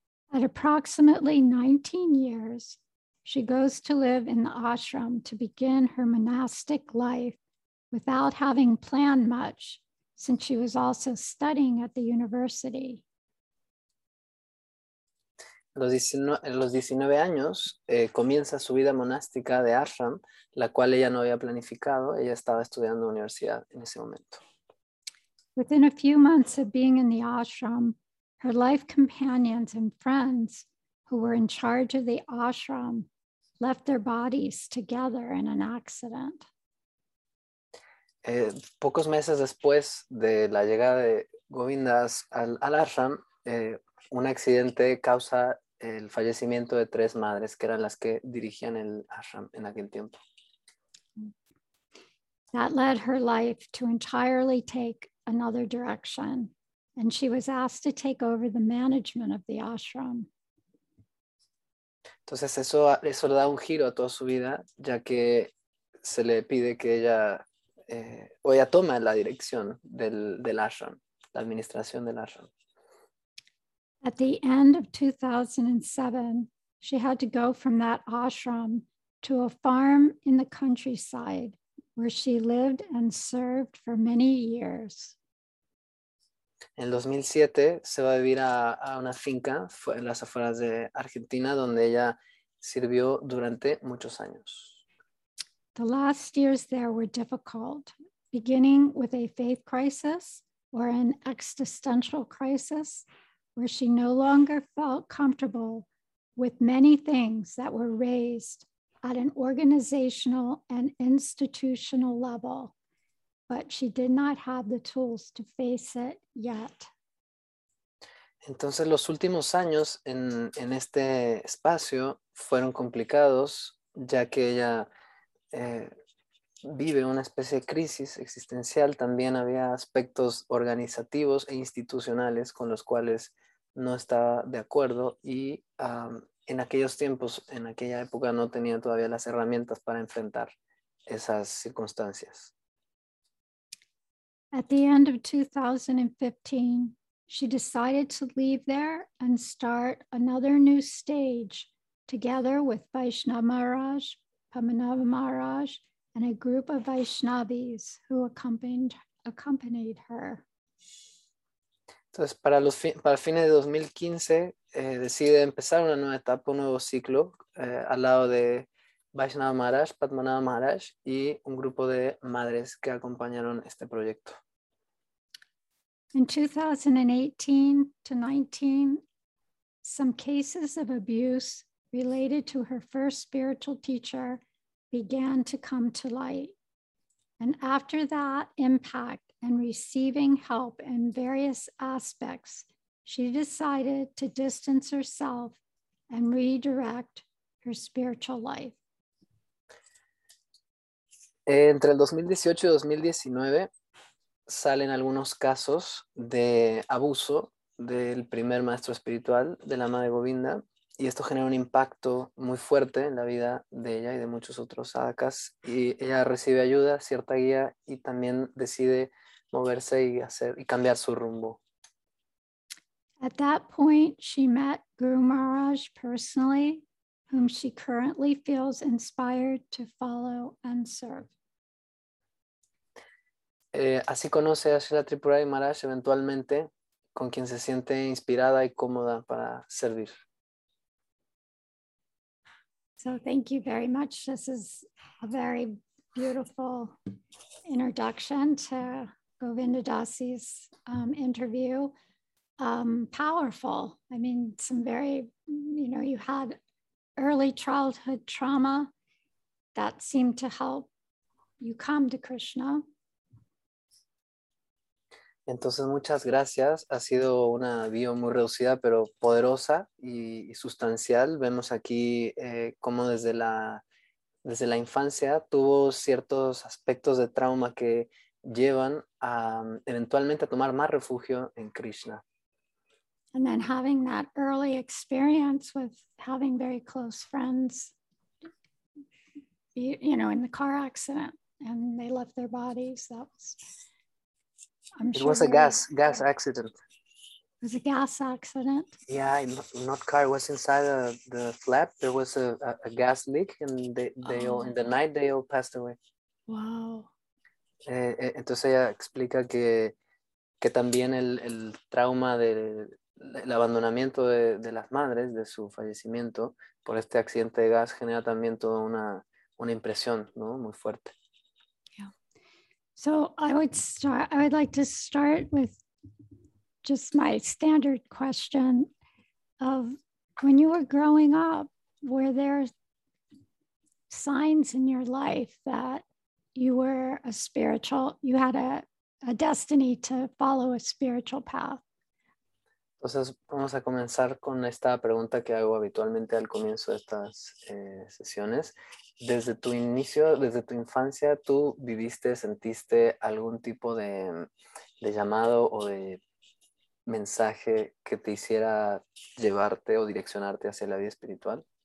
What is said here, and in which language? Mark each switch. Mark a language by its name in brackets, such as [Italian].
[English] At approximately 19 years, she goes to live in the ashram to begin her monastic life without having planned much, since she was also studying at the university. [Spanish] los 19 años comienza su vida monástica de ashram, la cual ella no había planificado. Ella estaba estudiando universidad en ese momento. [English] Within a few months of being in the ashram, her life companions and friends who were in charge of the ashram left their bodies together in an accident. [Spanish] Pocos meses después de la llegada de Govindas al ashram, un accidente causa el fallecimiento de tres madres que eran las que dirigían el ashram en aquel tiempo. [English] That led her life to entirely take another direction, and she was asked to take over the management of the ashram. [Spanish] Entonces eso le da un giro a toda su vida, ya que se le pide que ella ella toma la dirección del ashram, la administración del ashram. [English] At the end of 2007, she had to go from that ashram to a farm in the countryside where she lived and served for many years. [Spanish] En 2007 se va a vivir a una finca en las afueras de Argentina donde ella sirvió durante muchos años. [English] The last years there were difficult, beginning with a faith crisis or an existential crisis, where she no longer felt comfortable with many things that were raised at an organizational and institutional level, but she did not have the tools to face it yet. [Spanish] Entonces, los últimos años en este espacio fueron complicados, ya que ella vive una especie de crisis existencial. También había aspectos organizativos e institucionales con los cuales no estaba de acuerdo y en aquellos tiempos, en aquella época, no tenía todavía las herramientas para enfrentar esas circunstancias. [English] At the end of 2015, she decided to leave there and start another new stage together with Vaishnava Maharaj, Pamanava Maharaj, and a group of Vaishnavis who accompanied her. [Spanish] Entonces, para fines de 2015, decide empezar una nueva etapa, un nuevo ciclo, al lado de Vaishnava Maharaj, Padmanabha Maharaj y un grupo de madres que acompañaron este proyecto. [English] In 2018-19, some cases of abuse related to her first spiritual teacher began to come to light. And after that impact, and receiving help in various aspects, she decided to distance herself and redirect her spiritual life. [Spanish] Entre el 2018 y 2019 salen algunos casos de abuso del primer maestro espiritual de la madre Govinda, y esto genera un impacto muy fuerte en la vida de ella y de muchos otros sadhakas, y ella recibe ayuda, cierta guía, y también decide moverse y hacer y cambiar su rumbo. [English] At that point, she met Guru Maharaj personally, whom she currently feels inspired to follow and serve. [Spanish] Así conoce a Srila Tripurari Maharaj eventualmente, con quien se siente inspirada y cómoda para servir. [English] So thank you very much. This is a very beautiful introduction to Govinda Dasi's interview. Powerful. I mean, some very, you know, you had early childhood trauma that seemed to help you come to Krishna. [Spanish] Entonces, muchas gracias. Ha sido una bio muy reducida, pero poderosa y sustancial. Vemos aquí cómo desde la infancia tuvo ciertos aspectos de trauma que llevan a eventualmente a tomar más refugio en Krishna. [English] And then having that early experience with having very close friends, you know, in the car accident and they left their bodies. That was, I'm it sure. It was a gas accident. It was a gas accident. Yeah, not car, it was inside the flap. There was a gas leak and they all passed away. Wow. [Spanish] Entonces ella explica que también el trauma de El abandonamiento de las madres, de su fallecimiento por este accidente de gas, genera también toda una impresión, ¿no? Muy fuerte. [English] So I would like to start with just my standard question of when you were growing up, were there signs in your life that you were a spiritual, you had a destiny to follow a spiritual path? [Spanish] Entonces vamos a comenzar con esta pregunta que hago habitualmente al comienzo de estas sesiones. Desde tu inicio, desde tu infancia, ¿tú viviste, sentiste algún tipo de llamado o de mensaje que te hiciera llevarte o direccionarte hacia la vida espiritual?